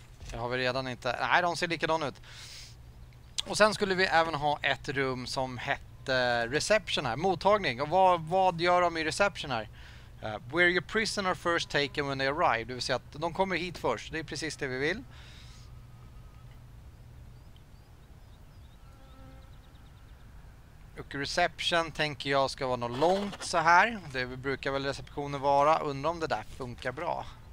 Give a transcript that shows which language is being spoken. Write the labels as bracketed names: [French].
[Swedish] Det har vi redan inte. Nej, de ser likadana ut. Och sen skulle vi även ha ett rum som hette reception här, mottagning. Och vad gör de i reception här? [English] Where your prisoners are first taken when they arrive. [Swedish] Det vill säga att de kommer hit först. Det är precis det vi vill. Och reception tänker jag ska vara något långt så här. Det brukar väl receptionen vara. Undrar om det där funkar bra.